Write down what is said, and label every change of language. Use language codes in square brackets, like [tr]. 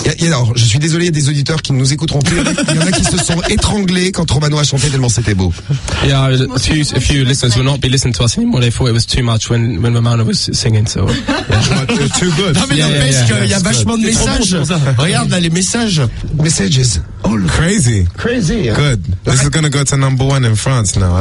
[fr] Alors, je suis désolé, il y a des auditeurs qui ne nous écouteront plus. Il y en a qui se sont étranglés quand Romano a chanté tellement c'était beau. [en] Yeah, a few listeners will not be listening to us anymore. They thought it was too much when Romano was singing. So, you're too good. [fr] Non, mais n'empêche qu'il y a vachement de messages. Regarde, là, les messages. [en] Messages. Crazy. Yeah. Good. This is gonna go to number one in France now.